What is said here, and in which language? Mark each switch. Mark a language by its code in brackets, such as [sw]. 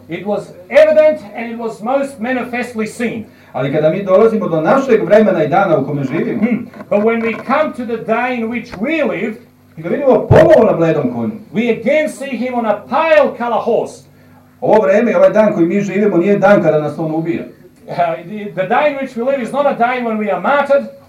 [en] It was evident and it was most manifestly seen. [sr] Ali kada mi dolazimo do našeg vremena i dana u kome živimo, [en] but when we come to the day in which we live, [sr] i ga vidimo ponovo na bledom konju, [en] we again see him on a pale color horse. [sr] Ovo vreme i ovaj dan koji mi živimo nije dan kada nas on ubija. [en] The day in which we live is not a day when we are martyred.